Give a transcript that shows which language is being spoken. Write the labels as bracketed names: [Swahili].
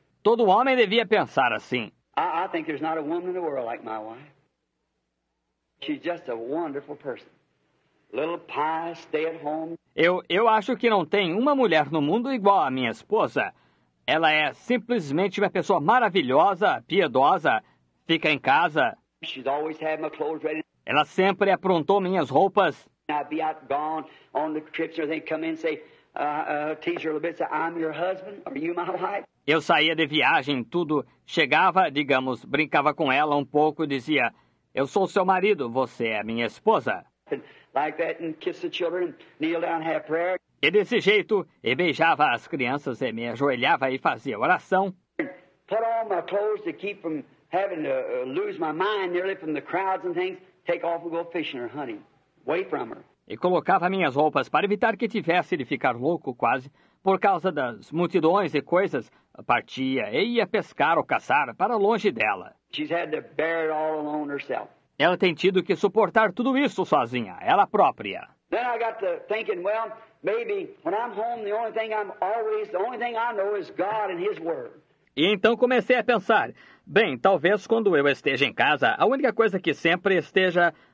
[Portuguese] Todo homem devia pensar assim. [English] I think there's not a woman in the world like my wife. She's just a wonderful person. Little pious, stay at home. [Portuguese] Eu acho que não tem uma mulher no mundo igual a minha esposa. Ela é simplesmente uma pessoa maravilhosa, piedosa, fica em casa. [English] She's always had my clothes ready. [Portuguese] Ela sempre aprontou minhas roupas. [English] I'd be out gone on the trips or they come in and say, teacher Lubitsa, I'm your husband. Are you my wife? [Portuguese] Eu saía de viagem, tudo. Chegava, digamos, brincava com ela um pouco e dizia, eu sou seu marido, você é minha esposa. [English] Like that, and kiss the children, kneel down, have prayer. [Portuguese] E desse jeito, e beijava as crianças, e me ajoelhava e fazia oração. [English] Put on my clothes to keep from having to lose my mind nearly from the crowds and things. Take off and go fishing or hunting. Away from her. [Portuguese] E colocava minhas roupas para evitar que tivesse de ficar louco, quase, por causa das multidões e coisas, partia e ia pescar ou caçar para longe dela. [English] She's had to bear it all alone herself. [Portuguese] Ela tem tido que suportar tudo isso sozinha, ela própria. [English] Then I got to thinking, well, maybe when I'm home, the only thing I'm always, the only thing I know is God and His Word. [Portuguese] E então comecei a pensar, bem, talvez quando eu esteja em casa, a única coisa que sempre esteja...